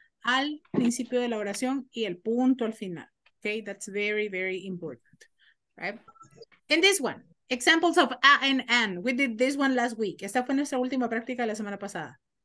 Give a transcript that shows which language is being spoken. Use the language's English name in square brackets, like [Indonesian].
[Spanish] Al principio de la oración y el punto al final. [English] Okay, that's very, very important, right? In this one, examples of A and N. We did this one last week. [Spanish] Esta fue nuestra última práctica la semana pasada.